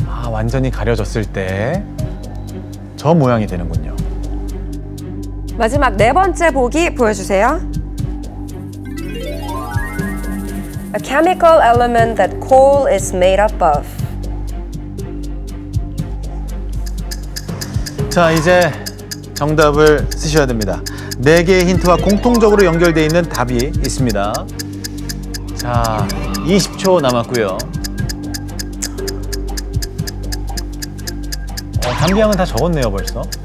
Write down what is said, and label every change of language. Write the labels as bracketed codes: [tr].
[ko] 완전히 가려졌을 때 저 모양이 되는군요. 마지막 네 번째 보기 보여주세요. [en] A chemical element that coal is made up of. [ko] 자, 이제 정답을 쓰셔야 됩니다. 네 개의 힌트와 공통적으로 연결되어 있는 답이 있습니다. 자, 20초 남았고요. 담비양은 다 적었네요, 벌써.